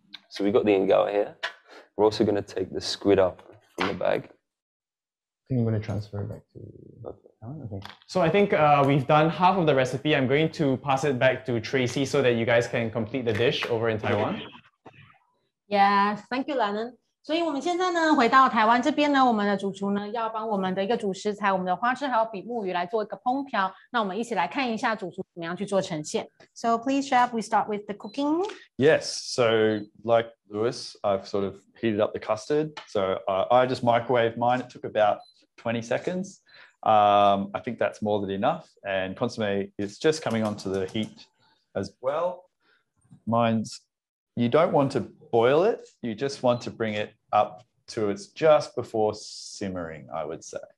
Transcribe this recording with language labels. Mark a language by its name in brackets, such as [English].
[English] So we got the Engawa here. We're also going to take the squid up from the bag. I think I'm going to transfer it back to Okay. So I think we've done half of the recipe. I'm going to pass it back to Tracy so that you guys can complete the dish over in Taiwan. Yes, thank you, Lennon. [Chinese] 所以我们现在呢，回到台湾这边呢，我们的主厨呢，要帮我们的一个主食材，我们的花枝还有比目鱼来做一个烹调。那我们一起来看一下主厨怎么样去做呈现。 [English] So please, Chef, we start with the cooking. Yes. So like Lewis, I've sort of heated up the custard. So I just microwaved mine. It took about 20 seconds. I think that's more than enough. And consommé is just coming onto the heat as well. Mine's, you don't want to boil it. You just want to bring it up to it's just before simmering, I would say.